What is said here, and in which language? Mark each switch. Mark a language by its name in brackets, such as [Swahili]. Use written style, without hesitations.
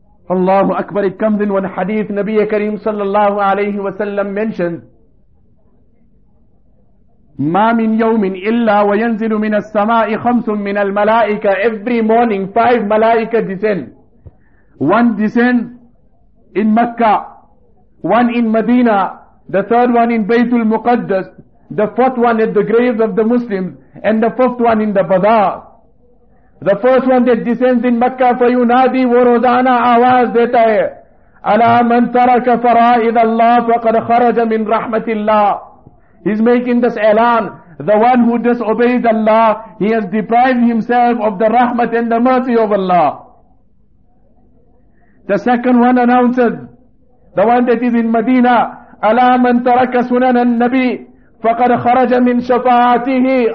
[English] Allahu Akbar, it comes in one hadith, Nabi Kareem sallallahu alayhi wa sallam mentioned, [Arabic] ما من يوم إلا وينزل من السماء خمس من الملائكة. [English] Every morning 5 ملائكة descend. One descend in Mecca, one in Medina, the third one in Baytul Muqaddas, the fourth one at the graves of the Muslims, and the fifth one in the bazaar. The first one that descends in Mecca, [Arabic] فَيُنَادِي وَرُزَانَا [Urdu] آوَاز دیتا ہے [Arabic] أَلَا مَن تَرَكَ فَرَائِضَ اللَّهِ فَقَدْ خَرَجَ مِنْ رَحْمَةِ اللَّهِ. [English] He's making this elan. The one who disobeys Allah, he has deprived himself of the rahmat and the mercy of Allah. The second one announces, the one that is in Medina, [Arabic] أَلَا مَن تَرَكَ سُنَنَ النَّبِي فَقَدْ خَرَجَ مِنْ شَفَاعَتِهِ.